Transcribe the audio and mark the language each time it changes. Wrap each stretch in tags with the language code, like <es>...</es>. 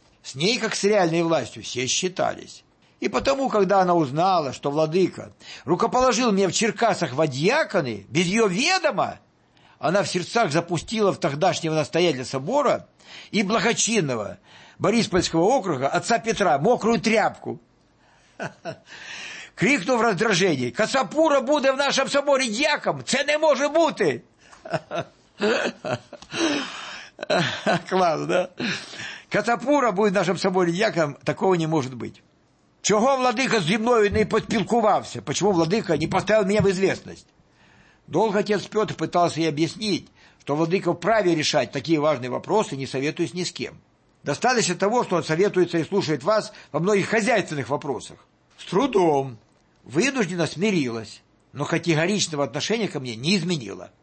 <ru>С ней, как с реальной властью, все считались. И потому, когда она узнала, что владыка рукоположил мне в Черкасах в дьяконы, без ее ведома, она в сердцах запустила в тогдашнего настоятеля собора и благочинного Бориспольского округа отца Петра мокрую тряпку. Крикнув в раздражении, «Касапура буде в нашем соборе дьяком!</ru> <uk>Це не може бути!»</uk> <ru>Класс, да? «Касапура будет в нашем соборе дьяком, такого не может быть.</ru> <uk>Чого владыка зі мною не поспілкувався?</uk> <ru>Почему владыка не поставил меня в известность?» Долго отец Петр пытался ей объяснить, что владыка вправе решать такие важные вопросы, не советуясь ни с кем. «Достаточно того, что он советуется и слушает вас во многих хозяйственных вопросах». «С трудом». Вынуждена смирилась, но категоричного отношения ко мне не изменила.</ru>